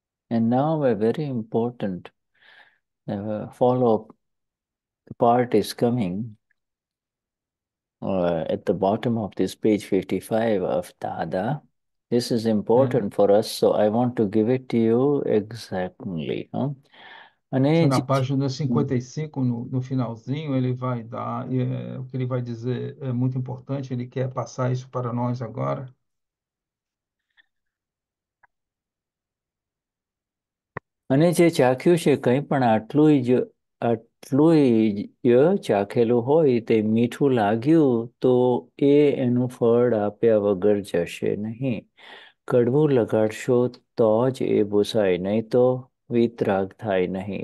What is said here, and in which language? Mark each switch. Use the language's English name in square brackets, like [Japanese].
[English] And now a very important follow-up part is coming. At the bottom of this page 55 of Dada, this is important for us, so I want to give it to you exactly. [Portuguese] Na página 55, no finalzinho, ele vai dar, o que ele vai dizer é muito importante, ele quer passar isso para nós agora. [Gujarati] અને જે ચાખ્યું છે કંઈ પણ આટલું જ ચાખેલું હોય તે મીઠું લાગ્યું તો એ એનું ફળ આપ્યા વગર જશે નહીં. કડવું લગાડશો તો જ એ ભૂસાય, નહીં તો વિતરાગ થાય નહીં.